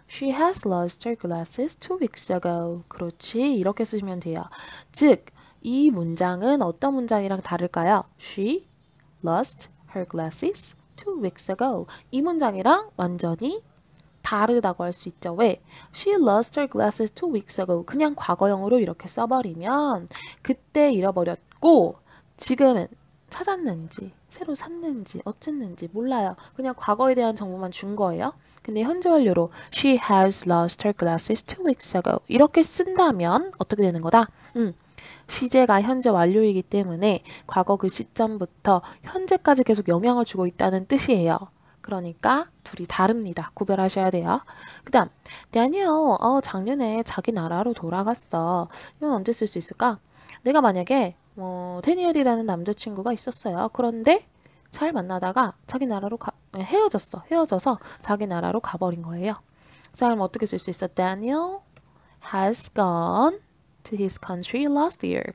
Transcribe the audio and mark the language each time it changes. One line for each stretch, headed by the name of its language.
English: She has lost her glasses 2 weeks ago.
Korean: 그렇지. 이렇게 쓰시면 돼요. 즉, 이 문장은 어떤 문장이랑 다를까요?
English: She lost her glasses 2 weeks ago.
Korean: 이 문장이랑 완전히 다르다고 할수 있죠. 왜?
English: She lost her glasses 2 weeks ago.
Korean: 그냥 과거형으로 이렇게 써버리면 그때 잃어버렸고 지금은 찾았는지 새로 샀는지 어쨌는지 몰라요. 그냥 과거에 대한 정보만 준 거예요. 근데 현재 완료로
English: She has lost her glasses 2 weeks ago.
Korean: 이렇게 쓴다면 어떻게 되는 거다? 시제가 현재 완료이기 때문에 과거 그 시점부터 현재까지 계속 영향을 주고 있다는 뜻이에요. 그러니까 둘이 다릅니다. 구별하셔야 돼요. 그다음, 다니엘, 작년에 자기 나라로 돌아갔어. 이건 언제 쓸수 있을까? 내가 만약에 테니엘이라는 남자친구가 있었어요. 그런데 잘 만나다가 자기 나라로 헤어졌어. 헤어져서 자기 나라로 가버린 거예요. 자, 그럼 어떻게 쓸수 있어?
English: Daniel has gone to his country last year.